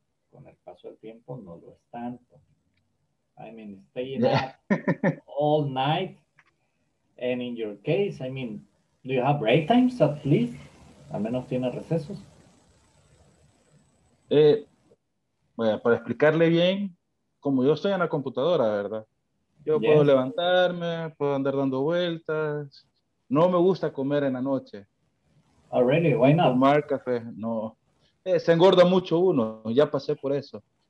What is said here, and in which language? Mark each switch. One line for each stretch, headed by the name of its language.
Spanish: con el paso del tiempo no lo es tanto.
English: I mean, staying up all night. And in your case, I mean, do you have break times at least?
Spanish: ¿Al menos tienes recesos? Bueno, para explicarle bien, como yo estoy en la computadora, ¿verdad? Yo yes. puedo levantarme, puedo andar dando vueltas. No me gusta comer en la noche.
English: Oh, really? Why not?
Spanish: Tomar café, no. Se engorda mucho uno, ya pasé por eso.